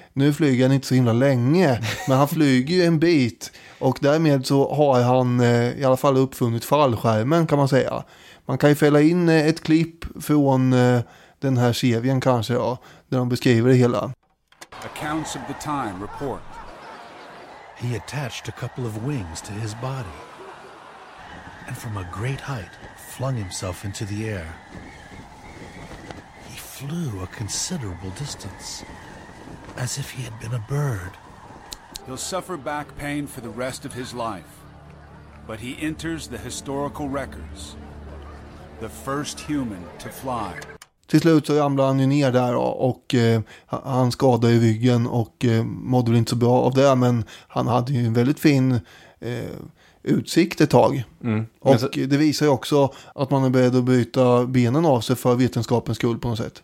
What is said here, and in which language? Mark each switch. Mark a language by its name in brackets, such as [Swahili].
[Swedish] Nu flyger han inte så himla länge, men han flyger ju en bit. Och därmed så har han i alla fall uppfunnit fallskärmen, kan man säga. Man kan ju fälla in ett klipp från den här serien kanske, ja, där de beskriver det hela. [English] Accounts of the time report. He attached a couple of wings to his body and from a great height flung himself into the air. He flew a considerable distance as if he had been a bird. He'll suffer back pain for the rest of his life, but he enters the historical records. The first human to fly. [Swedish] Till slut så ramlar han ju ner där och han skadade i ryggen och mådde väl inte så bra av det. Men han hade ju en väldigt fin utsikt ett tag. Mm. Och det visar ju också att man är beredd att byta benen av sig för vetenskapens skull på något sätt.